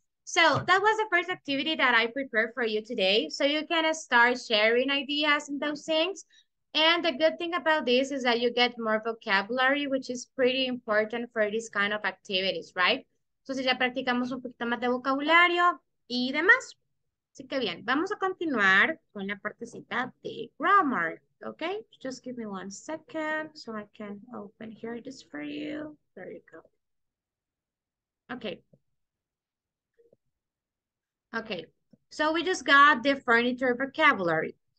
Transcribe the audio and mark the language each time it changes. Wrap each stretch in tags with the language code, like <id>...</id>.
<en>So that was the first activity that I prepared for you today. So you can start sharing ideas and those things. And the good thing about this is that you get more vocabulary, which is pretty important for this kind of activities, right?</en> <es>Entonces ya practicamos un poquito más de vocabulario y demás. Así que bien, vamos a continuar con la partecita de grammar, okay?</es> <en>Just give me 1 second so I can open here this for you. There you go. Okay. Okay, so we just got the furniture vocabulary.</en>